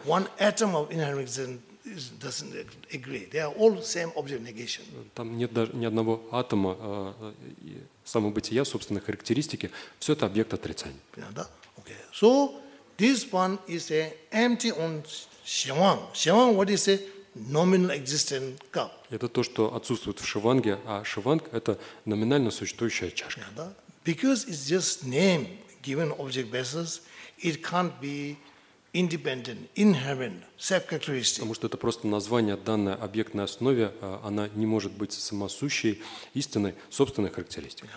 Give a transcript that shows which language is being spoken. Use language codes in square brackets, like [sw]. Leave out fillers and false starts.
[en] One atom of inherent existence doesn't agree. They are all same object negation. [ru] Там нет даже ни одного атома самобытия, собственно, характеристики, все это объект отрицания. Да? Okay. [en] So, this one is an empty on Shivang. Shivang, what is a nominal existent cup? [ru] Это то, что отсутствует в Шиванге, а Шиванг – это номинально существующая чашка. Yeah, да? [en] Because it's just name given object basis, it can't be independent, inherent, self-characteristic. [ru] Потому что это просто название данной объектной основе, она не может быть самосущей, истинной, собственной характеристикой.